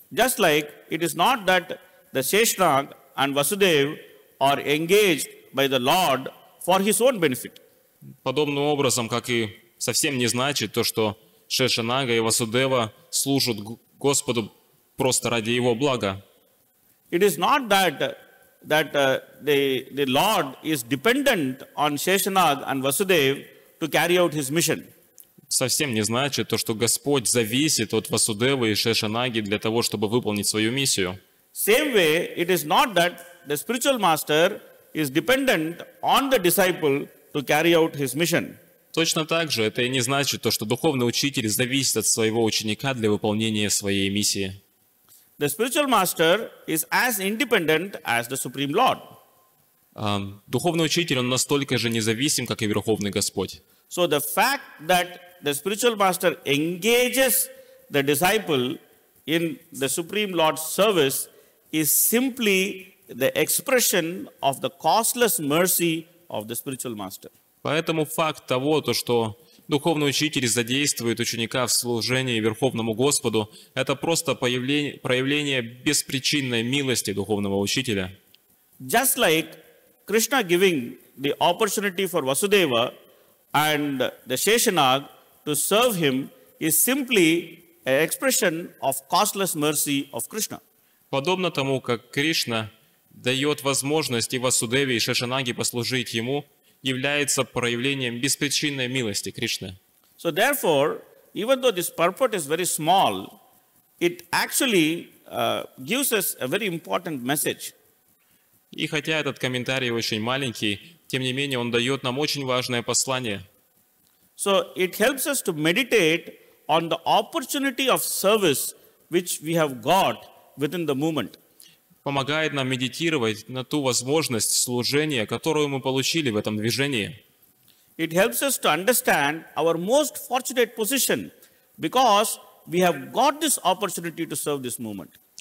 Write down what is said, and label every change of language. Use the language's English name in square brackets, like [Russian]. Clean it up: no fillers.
[English] Just like it is not that the Seshnag and Vasudev are engaged by the Lord for his own benefit. [Russian] Подобным образом, как и совсем не значит то, что Шешанага и Васудева служат Господу просто ради его блага. [English] It is not that the Lord is dependent on Seshanag and Vasudev to carry out his mission. [Russian] Совсем не значит то, что Господь зависит от Васудевы и Шешанаги для того, чтобы выполнить свою миссию. [English] Same way, it is not that the spiritual master is dependent on the disciple to carry out his mission. [Russian] Точно так же это и не значит то, что духовный учитель зависит от своего ученика для выполнения своей миссии. [English] The spiritual master is as independent as the Supreme Lord. [Russian] Духовный учитель, он настолько же независим, как и Верховный Господь. [English] So the fact that the spiritual master engages the disciple in the Supreme Lord's service is simply the expression of the causeless mercy of the spiritual master. [Russian] Поэтому факт того, то, что духовный учитель задействует ученика в служении Верховному Господу, это просто проявление беспричинной милости духовного учителя. [English] Just like Krishna giving the opportunity for Vasudeva and the Sheshanag to serve him is simply an expression of causeless mercy of Krishna. [Russian] Подобно тому, как Кришна дает возможность и Васудеве, и Шешанаге послужить ему, является проявлением беспричинной милости Кришны. [English] So therefore, even though this purport is very small, it actually gives us a very important message. [Russian] И хотя этот комментарий очень маленький, тем не менее он дает нам очень важное послание. [English] So it helps us to meditate on the opportunity of service which we have got within the movement. [Russian] Помогает нам медитировать на ту возможность служения, которую мы получили в этом движении. [English] It helps us to understand our most fortunate position because we have got this opportunity to serve this movement.